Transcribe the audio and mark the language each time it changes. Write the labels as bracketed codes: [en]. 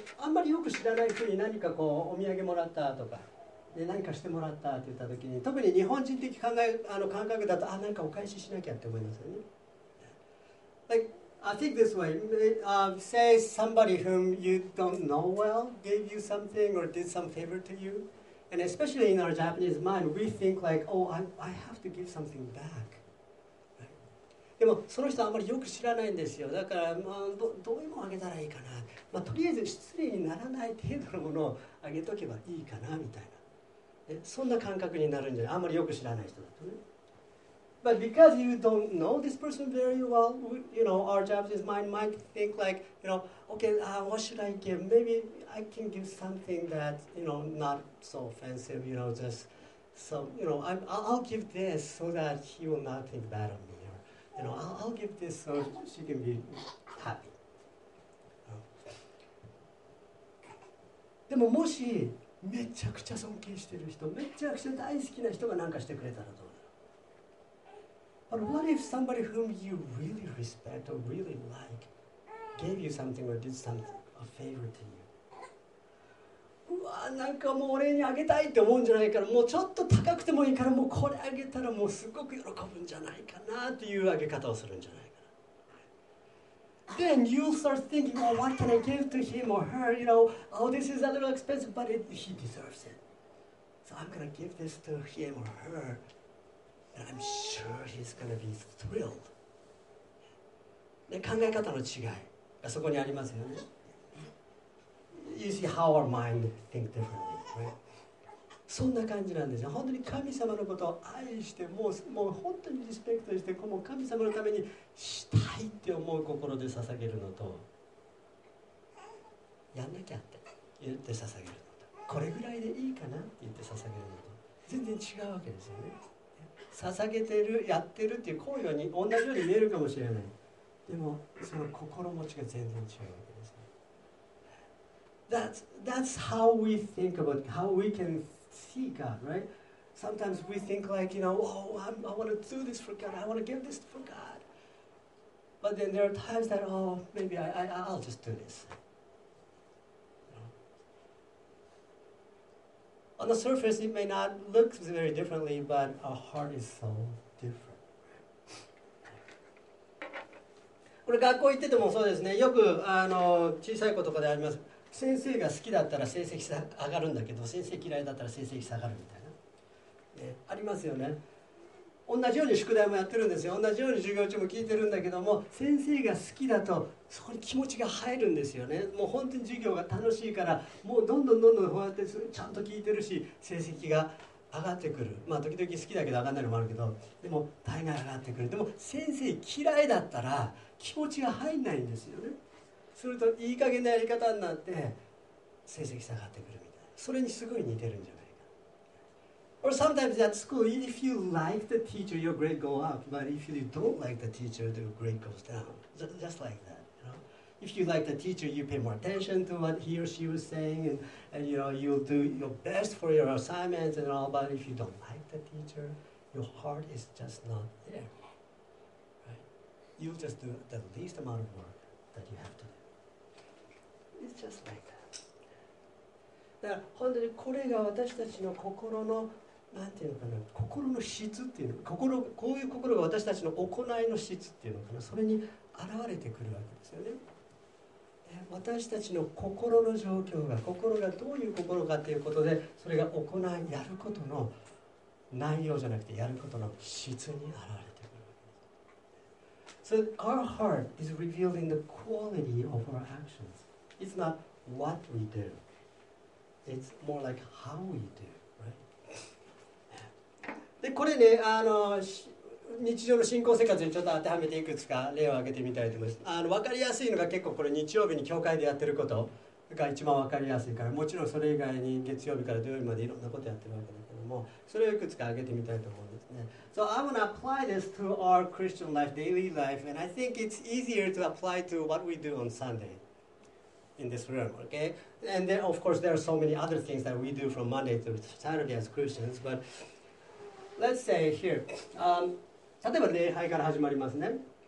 [ja] あんまりよく知らない人に何かこうお土産もらったとか、で何かしてもらったって言ったときに、特に日本人的考え、感覚だと、あ、何かお返ししなきゃって思いますよね。 [en] Like, I think this way, say somebody whom you don't know well gave you something or did some favor to you. And especially in our Japanese mind, we think like, oh, I have to give something back. [ja] でもその人はあまりよく知らないんですよ。だから、まあ、どういうものをあげたらいいかな、まあ、とりあえず失礼にならない程度のものをあげとけばいいかなみたいな、そんな感覚になるんじゃない、あまりよく知らない人だとね。 [en] But because you don't know this person very well, you know, our Japanese mind might think like, you know, okay, what should I give? Maybe I can give something that, you know, not so offensive, you know, just so, you know, I'll give this so that he will not think bad of me. You know, I'll give this so she can be happy. [ja] でももしめちゃくちゃ尊敬してる人、めちゃくちゃ大好きな人が何かしてくれたらどうだろう。 [en] But what if somebody whom you really respect or really like gave you something or did something, a favor to you? [ja] うわ、なんかもう俺にあげたいって思うんじゃないから、もうちょっと高くてもいいから、もうこれあげたらもうすごく喜ぶんじゃないかなっていうあげ方をするんじゃないかな。 [en] Then you start thinking, oh, what can I give to him or her? You know, oh, this is a little expensive, but he deserves it. So I'm gonna give this to him or her, and I'm sure he's gonna be thrilled. [ja] で、考え方の違いがそこにありますよね。 [en] You see how our mind think differently, right? [ja] そんな感じなんですよ。本当に神様のことを愛して、もう本当にリスペクトして、もう神様のためにしたいって思う心で捧げるのと、やんなきゃって言って捧げるのと、これぐらいでいいかなって言って捧げるのと、全然違うわけですよね。捧げてる、やってるっていう行為は同じように見えるかもしれない。でも、その心持ちが全然違うわけ。 [en] That's how we think about how we can see God, right? Sometimes we think like, you know, oh, I want to do this for God. I want to give this for God. But then there are times that, oh, maybe I'll just do this. On the surface, it may not look very differently, but our heart is so different. [ja] これ学校行っててもそうですね。よく小さい子とかであります。先生が好きだったら成績下上がるんだけど、先生嫌いだったら成績下がるみたいな、ね、ありますよね。同じように宿題もやってるんですよ。同じように授業中も聞いてるんだけども、先生が好きだとそこに気持ちが入るんですよね。もう本当に授業が楽しいから、もうどんどんどんどんこうやってちゃんと聞いてるし、成績が上がってくる。まあ時々好きだけど上がんないのもあるけど、でも大概上がってくる。でも先生嫌いだったら気持ちが入んないんですよね。するといい加減なやり方になって成績下がってくるみたいな、それにすごい似てるんじゃないか。 [en] Or sometimes at school, if you like the teacher, your grade go up, but if you don't like the teacher, the grade goes down. Just like that, you know? If you like the teacher, you pay more attention to what he or she was saying, and you know, you'll do your best for your assignments and all, but if you don't like the teacher, your heart is just not there, right? You'll just do the least amount of work that you have to do. It's just like that. [ja] だから本当にこれが私たちの心の、なんていうのかな、心の質っていうの、心、こういう心が私たちの行いの質っていうのかな、それに現れてくるわけですよね。私たちの心の状況が、心がどういう心かということで、それが行い、やることの内容じゃなくて、やることの質に現れてくるわけです。 [en] So our heart is revealing the quality of our actions. It's not what we do. It's more like how we do, right? [ja] で、これね、日常の信仰生活にちょっと当てはめていくつか例を挙げてみたいと思います。分かりやすいのが結構これ日曜日に教会でやってることが一番分かりやすいから、もちろんそれ以外に月曜日から土曜日までいろんなことやってるわけだけども、それをいくつか挙げてみたいと思うんですね。 [en] So I'm going to apply this to our Christian life, daily life, and I think it's easier to apply to what we do on Sunday in this room, okay? And then of course there are so many other things that we do from Monday to Saturday as Christians, but let's say here, [ja] 例えば礼拝から始まりますね。